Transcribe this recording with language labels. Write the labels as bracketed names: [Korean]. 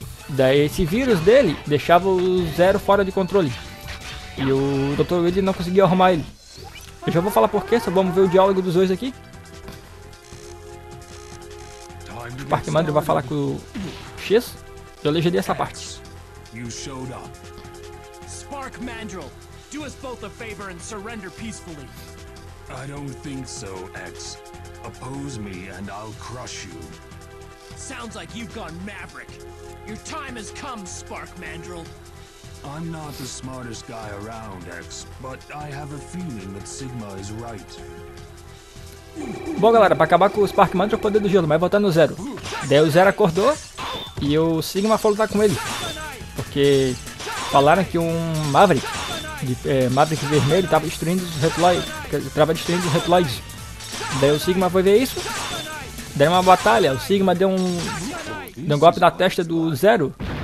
[Portuguese] Daí esse vírus dele deixava o Zero fora de controle, e o Dr. Reed não conseguia arrumar ele. Eu já vou falar porquê, só vamos ver o diálogo dos dois aqui. O Mark Mandry vai falar com o X. Eu legendei essa parte. [English] You showed up. Spark Mandrill, do us both a favor and surrender peacefully. I don't think so, X. Oppose me and I'll crush you. Sounds like you've gone maverick. Your time has come, Spark Mandrill. I'm not the smartest guy around, X, but I have a feeling that Sigma is right. [Portuguese] Bom, galera, pra acabar com o Spark Mantra, o poder do gelo, mas voltando no Zero. Daí o Zero acordou e o Sigma foi lutar com ele. Porque falaram que um Maverick, Maverick vermelho, tava destruindo os Reploids. Tava destruindo os Reploids. Daí o Sigma foi ver isso. Daí uma batalha, o Sigma deu um golpe na testa do Zero.